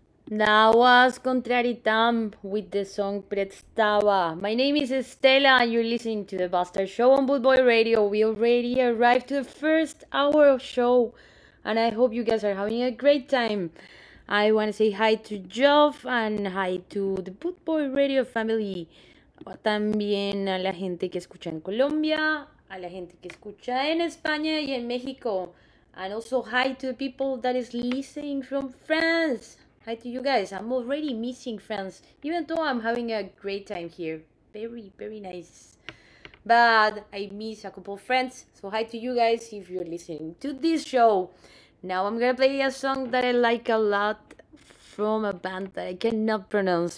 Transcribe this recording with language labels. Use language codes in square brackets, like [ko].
[en] That was Contrary Tamp with the song Prestava. My name is Stella and you're listening to the Bastard Show on Boot Boy Radio. We already arrived to the first hour of show and I hope you guys are having a great time. I want to say hi to Geoff and hi to the Boot Boy Radio family. [es] También a la gente que escucha en Colombia, a la gente que escucha en España y en México. [en] And also hi to the people that is listening from France. Hi to you guys. I'm already missing France, even though I'm having a great time here. Very, very nice. But I miss a couple of friends. So hi to you guys if you're listening to this show. Now I'm gonna play a song that I like a lot from a band that I cannot pronounce.